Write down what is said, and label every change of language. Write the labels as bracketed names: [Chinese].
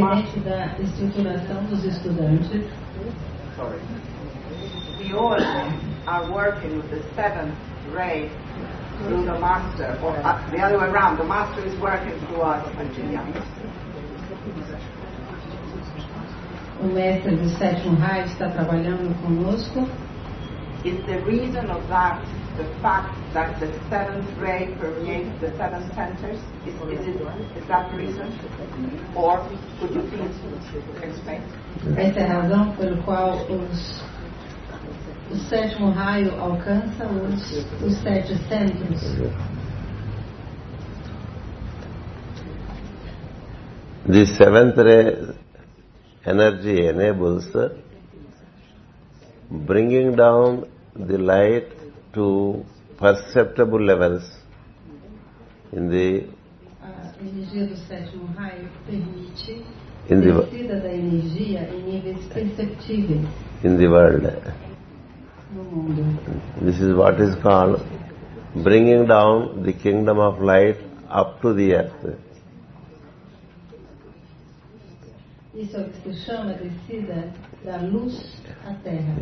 [Portuguese] mind. Independente da estruturação dos estudantes. [English] Sorry. We all are working with the seventh ray through the master, or the other way around. The master is working through us, Virginia. [Portuguese] O mestre do sétimo raio está trabalhando conosco. [English] Is the reason of that the fact that the seventh ray permeates the seven centers? Is that the reason? Or could you please explain? [Portuguese] Essa é a razão pelo qual o sétimo raio alcança os sete centros. [English] The seventh ray energy enables bringing down the light to perceptible levels in the [Portuguese] energia do sétimo raio permite [English] in the [Portuguese] descida da energia em níveis perceptíveis [English] in the world. [Portuguese] No mundo. [English] This is what is called bringing down the kingdom of light up to the earth. [Portuguese] Isso é o que se chama descida da luz à terra.